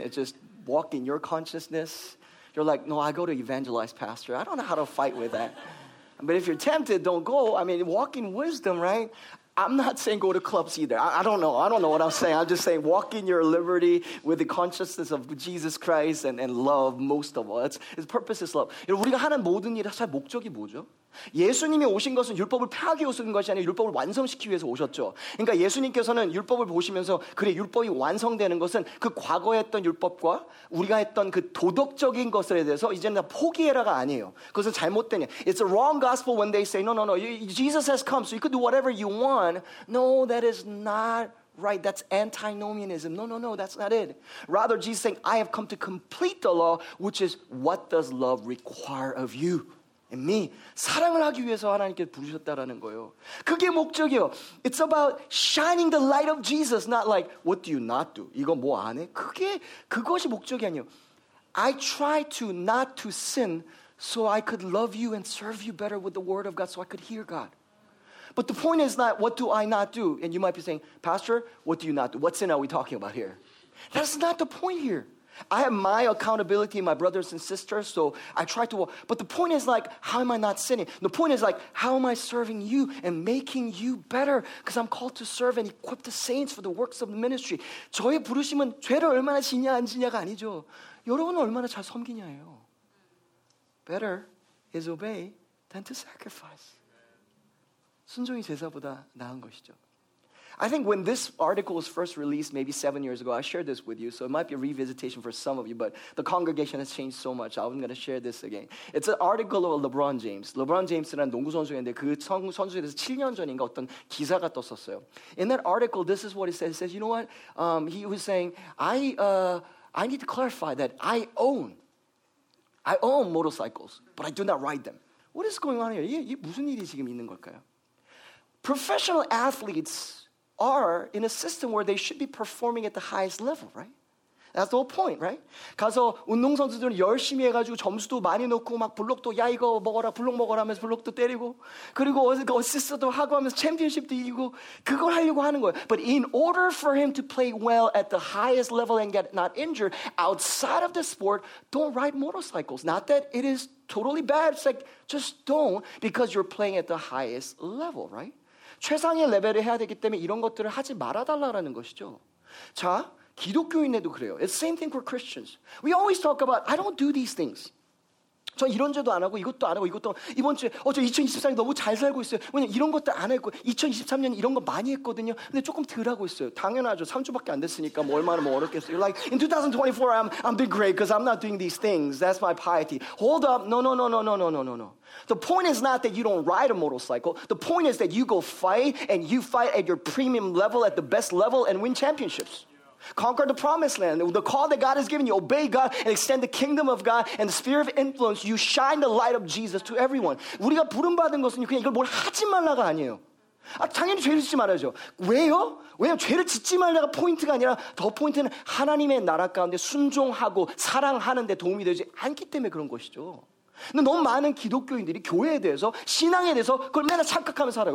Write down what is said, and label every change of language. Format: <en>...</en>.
<en>It's just walk in your consciousness. You're like, no, I go to evangelize, pastor. I don't know how to fight with that. But if you're tempted, don't go. I mean, walk in wisdom, right? I'm not saying go to clubs either. I don't know. I don't know what I'm saying. I'm just saying walk in your liberty with the consciousness of Jesus Christ and love most of all. His purpose is love.</en> <ko>여러분, 우리가 하는 모든 일의 사실 목적이 뭐죠? 예수님이 오신 것은 율법을 폐하기 오신 것이 아니라 율법을 완성시키기 위해서 오셨죠. 그러니까 예수님께서는 율법을 보시면서 그래, 율법이 완성되는 것은 그 과거에 했던 율법과 우리가 했던 그 도덕적인 것에 대해서 이제는 다 포기해라가 아니에요. 그것은 잘못된 일.</ko> <en>It's a wrong gospel when they say, no, Jesus has come, so you could do whatever you want. No, that is not right. That's antinomianism. No, that's not it. Rather, Jesus is saying, I have come to complete the law, which is what does love require of you? And me,</en> <ko>사랑을 하기 위해서 하나님께 부르셨다라는 거예요. 그게 목적이에요.</ko> <en>It's about shining the light of Jesus, not like, what do you not do?</en> <ko>이거 뭐 안 해? 그것이 목적이 아니에요.</ko> <en>I try to not to sin so I could love you and serve you better with the word of God so I could hear God. But the point is not, what do I not do? And you might be saying, pastor, what do you not do? What sin are we talking about here? That's not the point here. I have my accountability, my brothers and sisters, so I try to walk. But the point is like, how am I not sinning? The point is like, how am I serving you and making you better? Because I'm called to serve and equip the saints for the works of the ministry.</en> <ko>저의 부르심은 죄를 얼마나 지냐 안 지냐가 아니죠. 여러분은 얼마나 잘 섬기냐예요.</ko> <en>Better is obey than to sacrifice.</en> <ko>순종이 제사보다 나은 것이죠.</ko> <en>I think when this article was first released, maybe 7 years ago, I shared this with you, so it might be a revisitation for some of you, but the congregation has changed so much. I'm going to share this again. It's an article of LeBron James.</en> <ko>LeBron James라는 농구 선수였는데 그 선수에 대해서 7년 전인가 어떤 기사가 떴었어요.</ko> <en>In that article, this is what it says. It says, you know what? He was saying, I need to clarify that I own motorcycles, but I do not ride them. What is going on here?</en> <ko>이게 무슨 일이 지금 있는 걸까요?</ko> <en>Professional athletes are in a system where they should be performing at the highest level, right? That's the whole point, right?</en> <ko>가서 운동선수들은 열심히 해가지고 점수도 많이 넣고 막 블록도 야 이거 먹어라 블록 먹어라 하면서 블록도 때리고 그리고 어시스트도 하고 하면서 챔피언십도 이기고 그걸 하려고 하는 거예요.</ko> <en>But in order for him to play well at the highest level and get not injured outside of the sport, don't ride motorcycles. Not that it is totally bad. It's like, just don't because you're playing at the highest level, right?</en> <ko>최상의 레벨을 해야 되기 때문에 이런 것들을 하지 말아달라는 것이죠. 자, 기독교인에도 그래요.</ko> <en>It's the same thing for Christians. We always talk about, I don't do these things.</en> <ko>저 이런 죄도 안 하고 이것도 안 하고 이것도 이번 주에 저 2023년 너무 잘 살고 있어요. 왜냐면 이런 것도 안 했고 2023년 이런 거 많이 했거든요. 근데 조금 덜 하고 있어요. 당연하죠. 3주밖에 안 됐으니까 뭐 얼마나 뭐 어렵겠어요.</ko> <en>You're like, in 2024 I'm doing great because I'm not doing these things. That's my piety. Hold up. No. The point is not that you don't ride a motorcycle. The point is that you go fight and you fight at your premium level, at the best level and win championships. Conquer the promised land. The call that God has given you, obey God and extend the kingdom of God and the sphere of influence. You shine the light of Jesus to everyone.</en> <ko>우리가 부름 받은 것은 그냥 이걸 뭘 하지 말라가 아니에요. 아, 당연히 죄를 짓지 말아야죠. 왜요? 왜냐면 죄를 짓지 말라가 포인트가 아니라 더 포인트는 하나님의 나라 가운데 순종하고 사랑하는 데 도움이 되지 않기 때문에 그런 것이죠. 근데 너무 많은 기독교인들이 교회에 대해서 신앙에 대해서 그걸 맨날 착각하면서 살아요.</ko>